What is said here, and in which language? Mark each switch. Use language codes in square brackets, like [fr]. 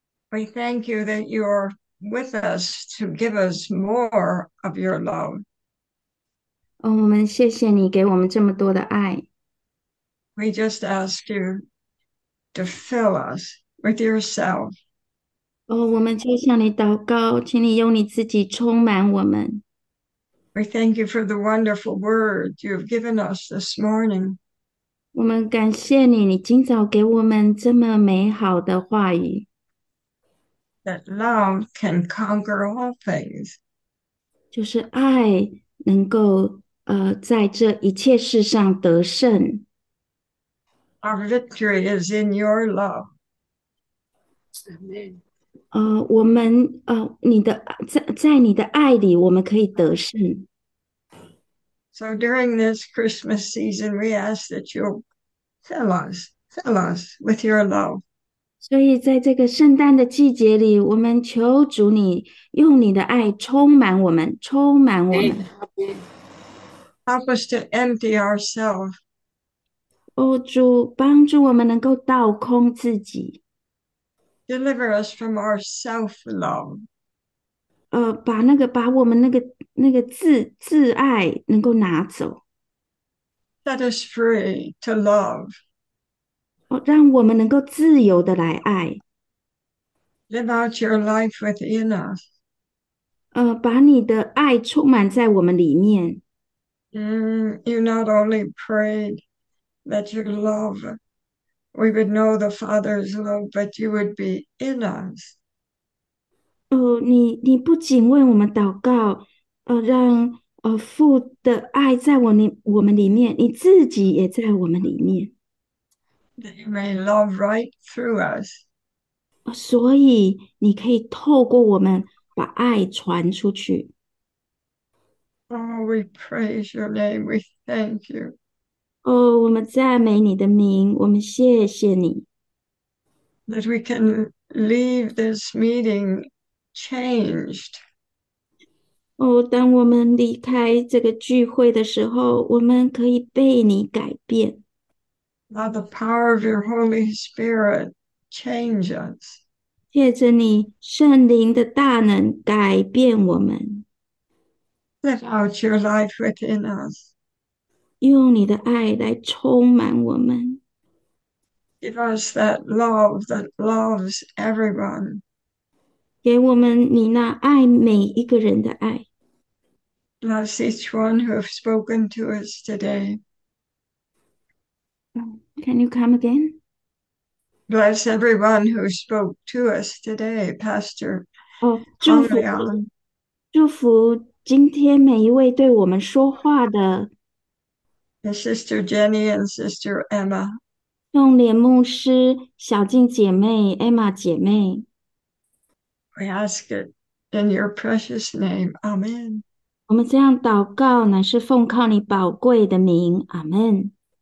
[en] We thank you that you're with us to give us more of your love. [zh] Oh, 我们谢谢你给我们这么多的爱。 [en] We just ask you to fill us with yourself. [zh] 哦，我们就向你祷告，请你用你自己充满我们。 [en] We thank you for the wonderful word you've given us this morning. [zh] 我们感谢你，你今早给我们这么美好的话语。 [en] That love can conquer all things. [zh] 就是爱能够在这一切事上得胜。 [en] Our victory is in your love. Amen. [zh] 我们你的在你的爱里，我们可以得胜。 [en] So during this Christmas season, we ask that you fill us with your love. [zh] 所以，在这个圣诞的季节里，我们求主你用你的爱充满我们，充满我们。 [en] Help us to empty ourselves. [zh] 哦，主，帮助我们能够倒空自己。 [en] Deliver us from our self-love. [zh] 把我们那个自爱能够拿走。 [en] Set us free to love. [zh] 哦，让我们能够自由的来爱。 [en] Live out your life within us. [zh] 把你的爱充满在我们里面。 [en] You not only prayed that your love, we would know the Father's love, but you would be in us. [zh] 你不仅为我们祷告，让父的爱在我们里面，你自己也在我们里面。 [en] That you may love right through us. [zh] 所以你可以透过我们把爱传出去。 [en] Oh, we praise your name. We thank you. [zh] 哦，我们赞美你的名，我们谢谢你。 [en] That we can leave this meeting changed. [zh] 哦，当我们离开这个聚会的时候，我们可以被你改变。 [en] By the power of your Holy Spirit, change us. [zh] 借着你圣灵的大能改变我们， [en] Let out your life within us. [zh] 用你的爱来充满我们。 [en] Give us that love that loves everyone. [zh] 给我们你那爱每一个人的爱。 [en] Bless each one who have spoken to us today. Can you come again? Bless everyone who spoke to us today, Pastor Oh, Hanayan. [zh] 祝福今天每一位对我们说话的 [en] And Sister Jenny and Sister Emma. [zh] 用莲牧师、小静姐妹、Emma 姐妹， [en] We ask it in your precious name. Amen. [zh] 我们这样祷告，乃是奉靠你宝贵的名，阿门。